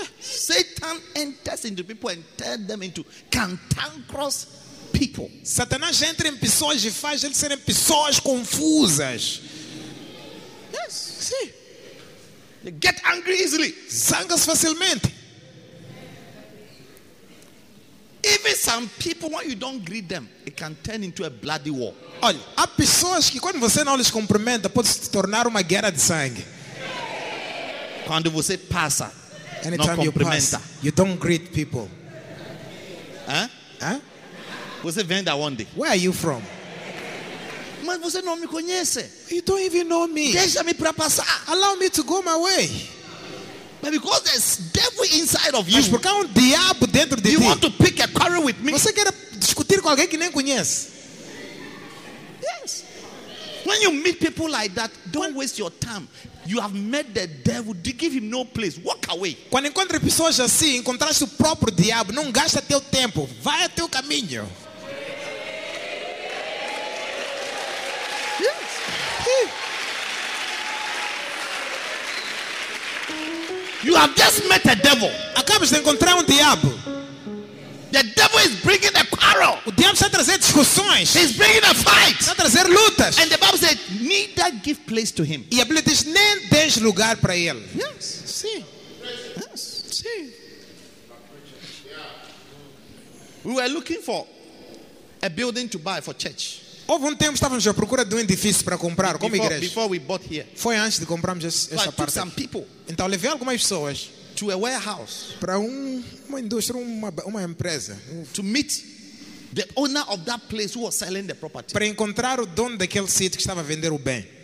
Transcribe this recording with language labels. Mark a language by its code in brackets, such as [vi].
[en] Satan enters into people and turns them into cantankerous people. [pt] Satanás entra em pessoas e faz eles serem pessoas confusas. [en] Yes, see. They get angry easily. [pt] Zangas facilmente. [en] Even some people, when you don't greet them, it can turn into a bloody war. [pt] Olha, há pessoas que quando você não lhes cumprimenta, pode se tornar uma guerra de sangue. Quando você passa, [en] anytime [pt] não cumprimenta. [en] You, pass, you don't greet people. Hã? Hã? [pt] Você vem da onde? [en] Where are you from? [pt] Mas você não me conhece. [en] You don't even know me. [pt] Deixa-me para passar. [en] Allow me to go my way. But because there's devil inside of you, [pt] mas porque há diabo dentro de [en] you [pt] ti. [en] Want to pick a quarrel with me. [pt] Você quer discutir com alguém que nem conhece. [en] Yes. When you meet people like that, don't waste your time. You have met the devil. Give him no place. Walk away. [pt] Quando encontra pessoas assim, encontraste o próprio diabo. Não gasta teu tempo. Vai ao teu caminho. [en] You have just met a devil. [pt] Acabas de encontrar diabo. [en] The devil is bringing a quarrel. [pt] O diabo está trazendo discussões. [en] He's bringing a fight. [pt] Está trazendo lutas. [en] And the Bible said, neither give place to him. [pt] E a Bíblia diz, nem deixe lugar para ele. [en] Yes. [pt] Sim. [en] Yes. [pt] Sim. [en] We were looking for a building to buy for church. [pt] Houve tempo estávamos à procura de edifício para comprar como [en] before, [pt] igreja. [en] Before we bought here. [pt] Foi antes de comprarmos essa parte. [en] Some people. [pt] Então levei algumas pessoas [en] to a warehouse [pt] para uma indústria, uma empresa, [en] to meet the owner of that place who was selling the property. [pt] Para encontrar o dono daquele sítio que estava a vender o bem.